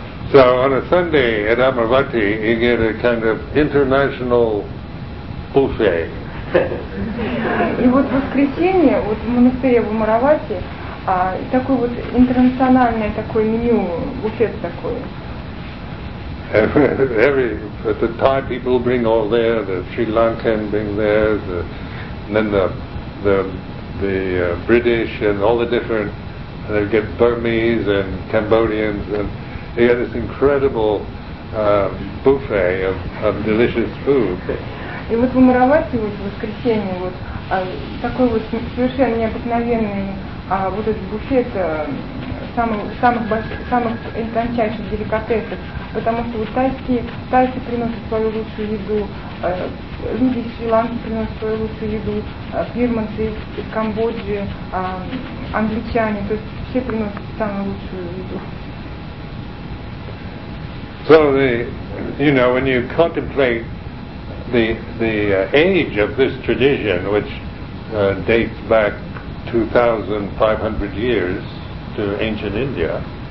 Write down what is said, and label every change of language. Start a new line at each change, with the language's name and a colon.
English: So on a Sunday at Amaravati, you get a kind of international buffet.
Russian: И вот в воскресенье, вот в монастыре в Амаравати, такой вот интернациональное такое меню, буфет такой.
English: The Thai people bring all there, the Sri Lankan bring theirs, then the British and all the different, and they get Burmese and Cambodians and. He had this incredible buffet of delicious food.
Russian: И вот в Амаравати вот в воскресенье вот такой вот совершенно необыкновенный вот этот буфет самых тончайших деликатесов, потому что вот тайцы приносят свою лучшую еду, люди из Шри-Ланки приносят свою лучшую еду, бирманцы из Камбоджи, англичане, то есть все приносят самую лучшую еду.
English: So when you contemplate the age of this tradition, which dates back 2,500 years to ancient India.